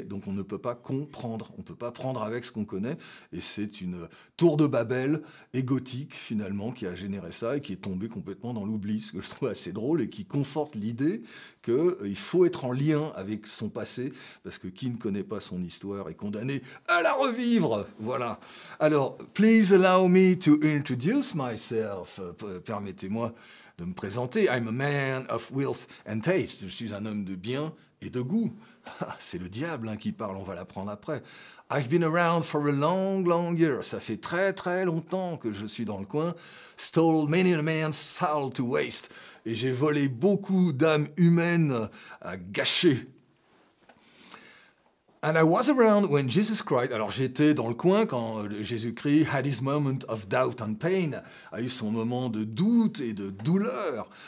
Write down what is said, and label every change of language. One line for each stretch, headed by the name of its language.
French: Donc on ne peut pas comprendre, on ne peut pas prendre avec ce qu'on connaît. Et c'est une tour de Babel égotique, finalement, qui a généré ça et qui est tombée complètement dans l'oubli, ce que je trouve assez drôle et qui conforte l'idée qu'il faut être en lien avec son passé, parce que qui ne connaît pas son histoire est condamné à la revivre. Voilà. Alors,
English: please allow me to introduce myself.
French: Permettez-moi de me présenter.
English: I'm a man of wealth and taste.
French: Je suis un homme de bien et de goût. Ah, c'est le diable, hein, qui parle, on va l'apprendre après.
English: I've been around for a long, long year.
French: Ça fait très, très longtemps que je suis dans le coin.
English: Stole many a man's soul to waste.
French: Et j'ai volé beaucoup d'âmes humaines à gâcher.
English: And I was around when Jesus cried.
French: Alors j'étais dans le coin quand Jésus-Christ
English: had his moment of doubt and pain,
French: a eu son moment de doute et de douleur.